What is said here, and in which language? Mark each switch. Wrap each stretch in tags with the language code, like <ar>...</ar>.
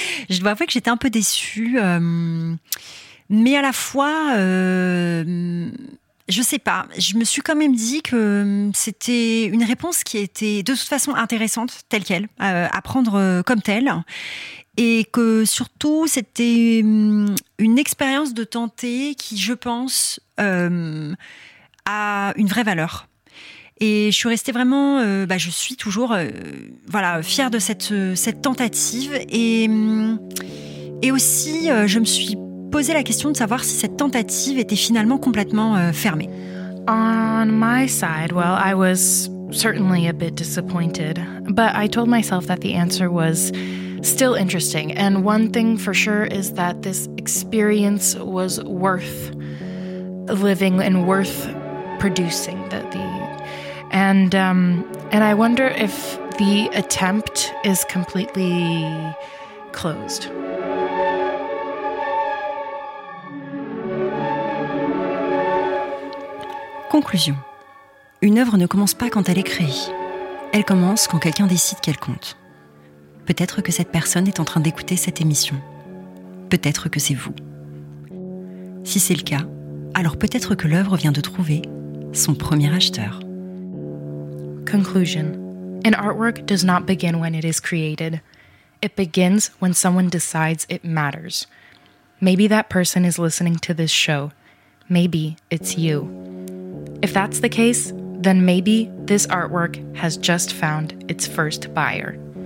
<fr>Je dois avouer que j'étais un peu déçue, mais à la fois, je sais pas, je me suis quand même dit que c'était une réponse qui était de toute façon intéressante, telle qu'elle, à prendre comme telle, et que surtout c'était une expérience de tenter qui, je pense, a une vraie valeur. Et je suis restée vraiment, je suis toujours, voilà, fière de cette tentative. Et aussi, je me suis posé la question de savoir si cette tentative était finalement complètement fermée.</fr> <en>On my side, well, I was certainly a bit disappointed, but I told myself that the answer was still interesting. And one thing for sure is that this experience was worth living and worth producing. And I wonder if the attempt is completely closed.</en> <fr>Conclusion. Une œuvre ne commence pas quand elle est créée. Elle commence quand quelqu'un décide qu'elle compte. Peut-être que cette personne est en train d'écouter cette émission. Peut-être que c'est vous. Si c'est le cas, alors peut-être que l'œuvre vient de trouver son premier acheteur.</fr> <en>Conclusion. An artwork does not begin when it is created. It begins when someone decides it matters. Maybe that person is listening to this show. Maybe it's you. If that's the case, then maybe this artwork has just found its first buyer.</en>